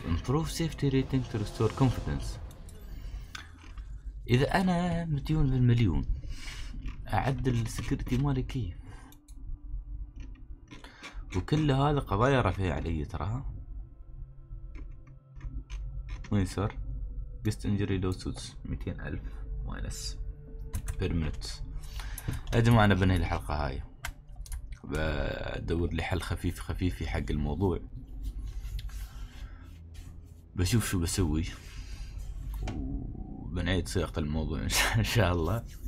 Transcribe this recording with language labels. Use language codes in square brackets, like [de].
[en] Improve safety rating to restore confidence. [ar] إذا أنا مديون بالمليون أعدل السكيورتي مالي كيف؟ وكل هذا قضايا رفيعة علي تراها. وين صار؟ [en] Guest injury lawsuits 200,000 minus permanent. [ar] يا جماعة أنا بنهي الحلقة هاي، بدور لي حل خفيف حق الموضوع، بشوف شو بسوي وبنعيد صياغة الموضوع ان شاء الله.